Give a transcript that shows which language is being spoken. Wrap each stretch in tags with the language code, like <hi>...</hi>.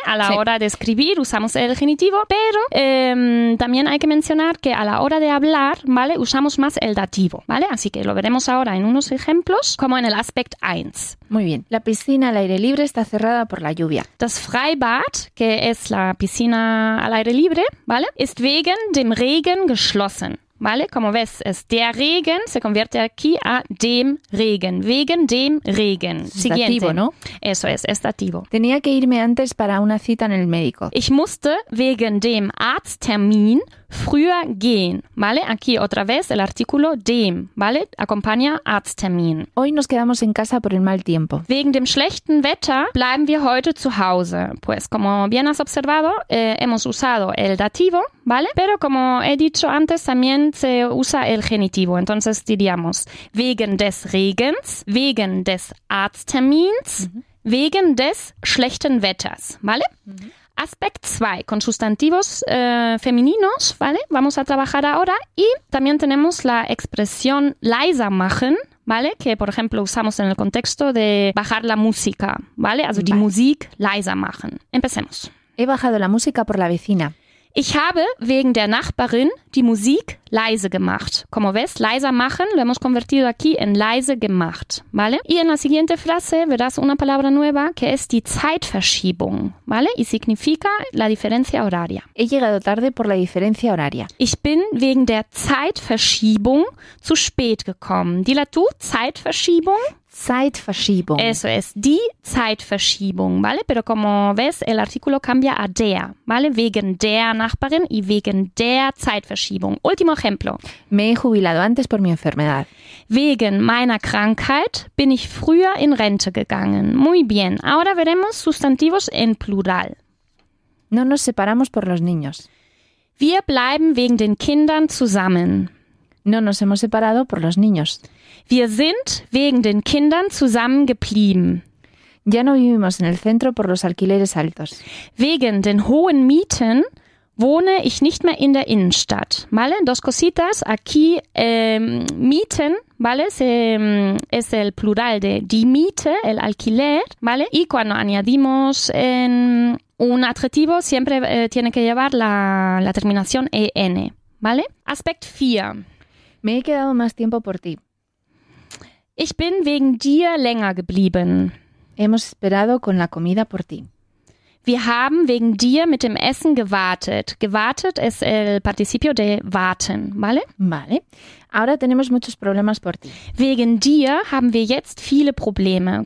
<es>A la hora de escribir usamos el genitivo, pero también hay que mencionar que a la hora de hablar, ¿vale? Usamos más el dativo, ¿vale? Así que lo veremos ahora en unos ejemplos, como en el aspect 1. Muy bien. La piscina al aire libre está cerrada por la lluvia.</es> <de>Das Freibad,</de> <es>que es la piscina al aire libre, ¿vale?</es> <de>Ist wegen dem Regen geschlossen.</de> <es>¿Vale? Como ves, es</es> <de>der Regen,</de> <es>se convierte aquí a</es> <de>dem Regen, wegen dem Regen.</de> <es>Siguiente. Dativo, ¿no? Eso es dativo. Tenía que irme antes para una cita en el médico.</es> <de>Ich musste wegen dem Arzttermin früher gehen, ¿vale?</de> <es>Aquí otra vez el artículo dem, ¿vale? Acompaña Arzttermin. Hoy nos quedamos en casa por el mal tiempo.</es> <de>Wegen dem schlechten Wetter bleiben wir heute zu Hause.</de> <es>Pues como bien has observado, hemos usado el dativo, ¿vale? Pero como he dicho antes, también se usa el genitivo. Entonces diríamos</es> <de>wegen des Regens, wegen des Arzttermins, mhm, wegen des schlechten Wetters, ¿vale? Mhm.</de> <es>Aspect 2, con sustantivos femeninos, ¿vale? Vamos a trabajar ahora. Y también tenemos la expresión</es> <de>leiser machen,</de> <es>¿vale? Que, por ejemplo, usamos en el contexto de bajar la música, ¿vale?</es> <de>Also die Musik leiser machen.</de> <es>Empecemos. He bajado la música por la vecina.</es> <de>Ich habe wegen der Nachbarin die Musik leise gemacht.</de> <es>Como ves,</es> <de>leiser machen</de> <es>lo hemos convertido aquí en</es> <de>leise gemacht,</de> <es>¿vale? Y en la siguiente frase verás una palabra nueva que es</es> <de>die Zeitverschiebung,</de> <es>¿vale? Y significa la diferencia horaria. He llegado tarde por la diferencia horaria.</es> <de>Ich bin wegen der Zeitverschiebung zu spät gekommen.</de> <es>Dila tú, Zeitverschiebung.</es> <de>Zeitverschiebung.</de> <es>Eso es,</es> <de>die Zeitverschiebung,</de> <es>¿vale? Pero como ves, el artículo cambia a der, ¿vale?</es> <de>Wegen der Nachbarin y wegen der Zeitverschiebung.</de> <es>Último ejemplo. Me he jubilado antes por mi enfermedad.</es> <de>Wegen meiner Krankheit bin ich früher in Rente gegangen.</de> <es>Muy bien. Ahora veremos sustantivos en plural. No nos separamos por los niños.</es> <de>Wir bleiben wegen den Kindern zusammen.</de> <es>No nos hemos separado por los niños.</es> <de>Wir sind wegen den Kindern zusammengeblieben.</de> <es>Ya no vivimos en el centro por los alquileres altos.</es> <de>Wegen den hohen Mieten wohne ich nicht mehr in der Innenstadt.</de> <es>¿Vale? Dos cositas. Aquí, Mieten, ¿vale? Es el plural de</es> <de>die Miete,</de> <es>el alquiler, ¿vale? Y cuando añadimos un adjetivo, siempre tiene que llevar la terminación en, ¿vale? Aspect 4. Me he quedado más tiempo por ti.</es> <de>Ich bin wegen dir länger geblieben.</de> <es>Hemos esperado con la comida por ti.</es> <de>Wir haben wegen dir mit dem Essen gewartet.</de> <es>Gewartet es el participio de warten, ¿vale? Vale. Ahora tenemos muchos problemas por ti.</es> <de>Wegen dir haben wir jetzt viele Probleme.</de>